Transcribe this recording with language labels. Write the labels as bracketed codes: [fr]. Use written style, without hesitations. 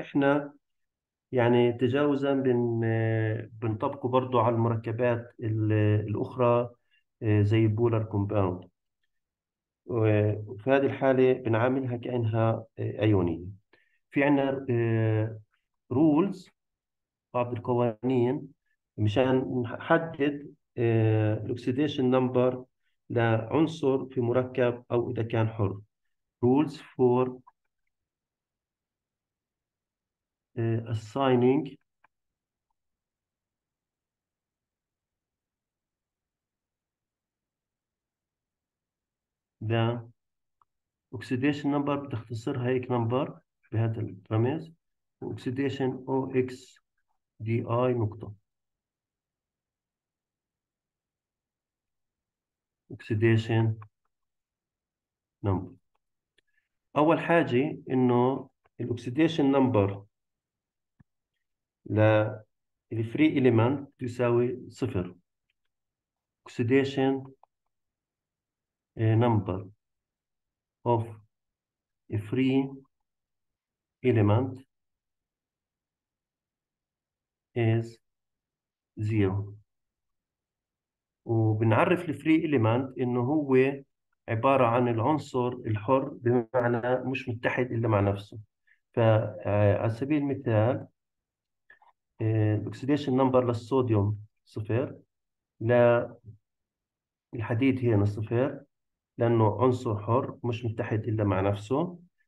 [ar] إحنا يعني تجاوزا بنطبقه برضو على المركبات الأخرى زي البولار كومباوند، وفي هذه الحالة بنعاملها كأنها أيونية. في عندنا رولز، بعض القوانين مشان نحدد الأكسيديشن نمبر لعنصر في مركب أو إذا كان حر. [en] Rules for assigning the oxidation number، [ar] بتختصرها هيك نمبر بهذا الرمز، [en] oxidation OX DI نقطة، oxidation number. [ar] أول حاجة إنه الأكسيديشن نمبر للفري إليمنت تساوي صفر. [en] Oxidation number of a free element is zero. [ar] وبنعرف الفري إليمنت إنه هو عبارة عن العنصر الحر، بمعنى مش متحد إلا مع نفسه. فعلى سبيل المثال الأكسيديشن نمبر للصوديوم صفر، للحديد هنا صفر لأنه عنصر حر مش متحد إلا مع نفسه.